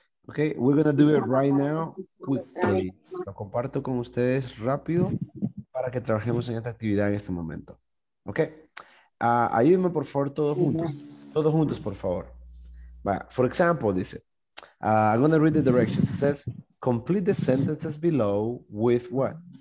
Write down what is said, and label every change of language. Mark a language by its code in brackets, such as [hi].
[en] Okay, we're going to do it right now. Quickly. [es] Lo comparto con ustedes rápido. Para que trabajemos en esta actividad en este momento. Ok. Ayúdenme, por favor, todos juntos. Todos juntos, por favor. [en] For example, [es] dice, [en] I'm going to read the directions. It says, complete the sentences below with what?